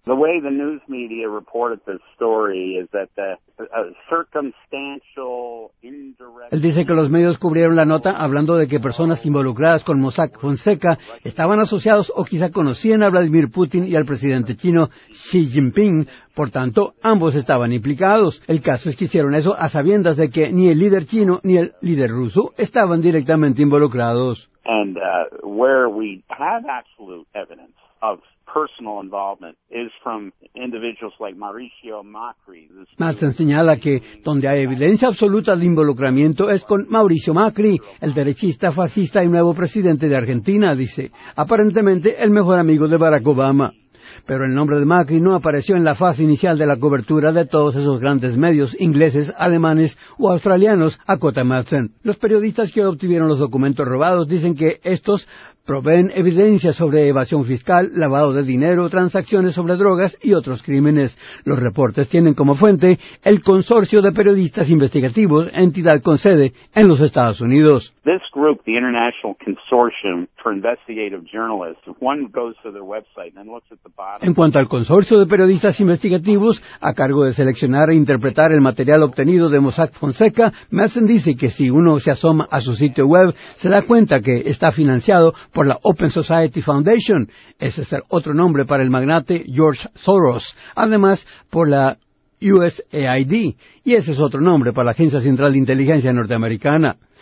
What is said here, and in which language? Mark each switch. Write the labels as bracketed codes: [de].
[en] The way the news media reported this story is that the circumstantial indirect. [es] Él dice que los medios cubrieron la nota hablando de que personas involucradas con Mossack Fonseca estaban asociados o quizá conocían a Vladimir Putin y al presidente chino Xi Jinping. Por tanto, ambos estaban implicados. El caso es que hicieron eso a sabiendas de que ni el líder chino ni el líder ruso estaban directamente involucrados. [en] And where we have absolute evidence of personal involvement is from individuals like Mauricio Macri. [es] Madsen señala que donde hay evidencia absoluta de involucramiento es con Mauricio Macri, el derechista fascista y nuevo presidente de Argentina, dice, aparentemente el mejor amigo de Barack Obama. Pero el nombre de Macri no apareció en la fase inicial de la cobertura de todos esos grandes medios ingleses, alemanes o australianos, acota Madsen. Los periodistas que obtuvieron los documentos robados dicen que estos proveen evidencia sobre evasión fiscal, lavado de dinero, transacciones sobre drogas y otros crímenes. Los reportes tienen como fuente el Consorcio de Periodistas Investigativos, entidad con sede en los Estados Unidos. [en] This group, the International Consortium for Investigative Journalists, one goes to their website and looks at the bottom. [es] En cuanto al Consorcio de Periodistas Investigativos, a cargo de seleccionar e interpretar el material obtenido de Mossack Fonseca, Madsen dice que si uno se asoma a su sitio web, se da cuenta que está financiado por la Open Society Foundation, ese es el otro nombre para el magnate George Soros, además por la USAID, y ese es otro nombre para la Agencia Central de Inteligencia Norteamericana.